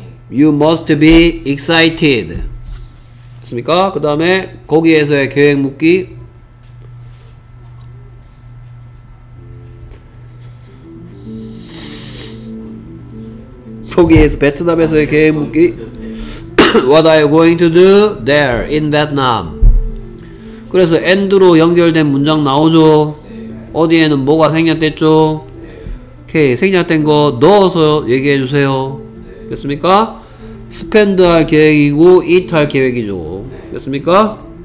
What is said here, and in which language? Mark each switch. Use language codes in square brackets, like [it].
[en] You must be excited. [ko] 됐습니까? 그 다음에 거기에서의 계획 묻기. 거기에서 베트남에서의 계획 묻기. [en] What are you going to do there in Vietnam? [ko] 그래서 end로 연결된 문장 나오죠. 어디에는 뭐가 생략됐죠? 오케이, 생략된 거 넣어서 얘기해 주세요. 됐습니까? spend 할 계획이고 eat 할 계획이죠. 됐습니까?